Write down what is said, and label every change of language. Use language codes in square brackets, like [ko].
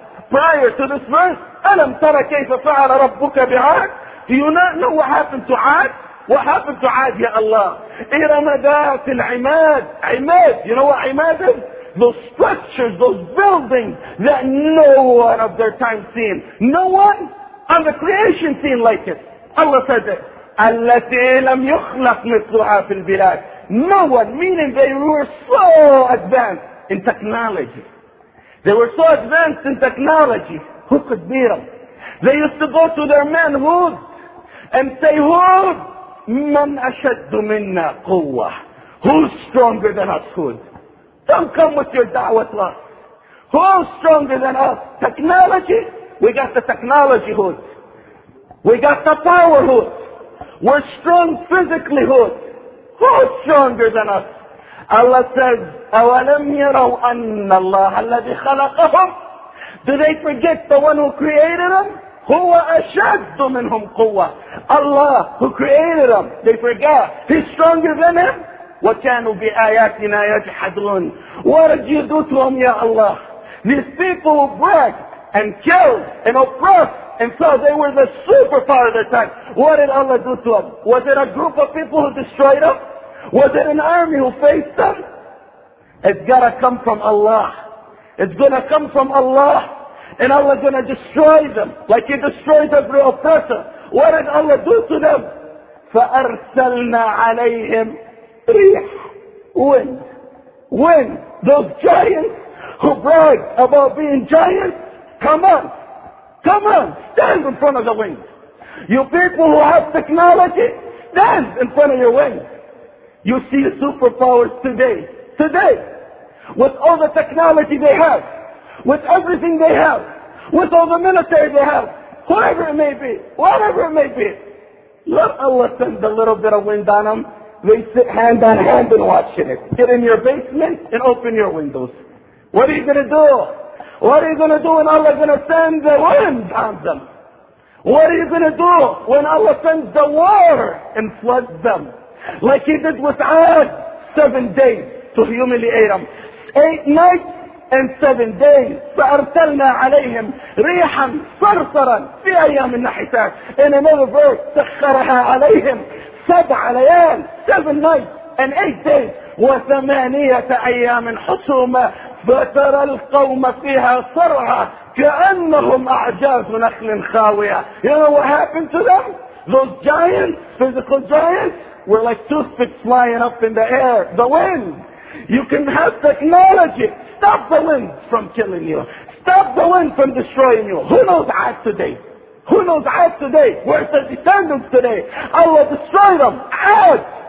[en] Prior to this verse, [ar] أَلَمْ تَرَ كَيْفَ فَعَلَ رَبُّكَ بِعَادٍ. [en] Do you not know what happened to Aad? What happened to Aad, ya Allah? [ar] إِرَمَ ذَاتِ الْعِمَادِ. [en] Imad, you know what Imad is? Those structures, those buildings that no one of their time seen. No one on the creation seen like it. Allah says it. [ar] أَلَّتِي لَمْ يُخْلَقْ مِثْلُهَا فِي الْبِلَادِ. [en] No one, meaning they were so advanced in technology. They were so advanced in technology. Who could beat them? They used to go to their man Hud and say, Hud, [ar] مَنْ أَشَدُّ مِنَّا قُوَّةِ. [en] Who's stronger than us, Hud? Don't come with your da'wah to us. Who's stronger than us? Technology? We got the technology, Hood. We got the power, Hood. We're strong physically, Hood. Who's stronger than us? Allah says, [ar] أَوَلَمْ يَرَوْا أَنَّ اللَّهَ الَّذِي خَلَقَهُمْ. [en] Do they forget the one who created them? [ar] هُوَ أَشَدُّ مِنْهُمْ قُوَّةً. [en] Allah, who created them, they forget. He's stronger than him. [ar] وَكَانُوا بِآيَاتِنَا يَجْحَدُونَ. [en] What did you do to them, ya Allah? These people who bragged and killed and oppressed and thought they were the superpower of their time. What did Allah do to them? Was it a group of people who destroyed them? Was it an army who faced them? It's gotta come from Allah. It's gonna come from Allah. And Allah's gonna destroy them like He destroys every oppressor. What did Allah do to them? [ar] فَأَرْسَلْنَا عَلَيْهِمْ رِيحْ [en] Wind. Wind. Those giants who brag about being giants, come on. Come on. Stand in front of the wind. You people who have technology, stand in front of your wind. You see the superpowers today. Today. With all the technology they have. With everything they have. With all the military they have. Whoever it may be. Whatever it may be. Let Allah send a little bit of wind on them. They sit hand on hand and watching it. Get in your basement and open your windows. What are you going to do? What are you going to do when Allah is going to send the wind on them? What are you going to do when Allah sends the water and floods them? Like He did with Ad, 7 days to humiliate them. 8 nights and 7 days. [ar] فَأَرْسَلْنَا عَلَيْهِمْ رِيحًا صَرْصَرًا فِي أَيَّامِ النَّحِسَاتِ [en] In another verse, [ar] سَخَّرَهَا عَلَيْهِمْ سَبْعَ لَيَالٍ [en] 7 nights and 8 days. [ar] وَثَمَانِيَةَ أَيَّامٍ حُسُومًا فَتَرَى الْقَوْمَ فِيهَا صَرْعًا كَأَنَّهُمْ أَعْجَازُ نَخْلٍ خَاوِيَةٍ [en] You know what happened to them? Those giants, physical giants, were like toothpicks flying up in the air. The wind. You can have technology. Stop the wind from killing you. Stop the wind from destroying you. Who knows Ad today? Who knows Ad today? Where's the descendants today? Allah destroyed them. Ad!